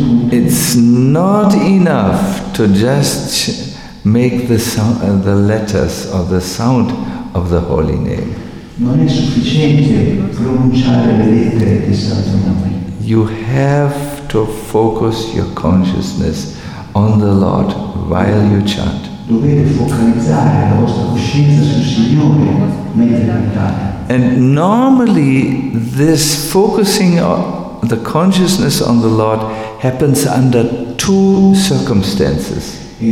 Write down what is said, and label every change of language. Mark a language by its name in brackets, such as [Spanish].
[English] It's not enough to just make the sound, the letters or the sound of the holy name. [Italian] Non è sufficiente pronunciare le lettere del Santo Nome. [English] You have to focus your consciousness on the Lord while you chant. [Italian] Dovete focalizzare la vostra coscienza sul Signore mentre cantate. [English] And normally this focusing on the consciousness on the Lord happens under two circumstances.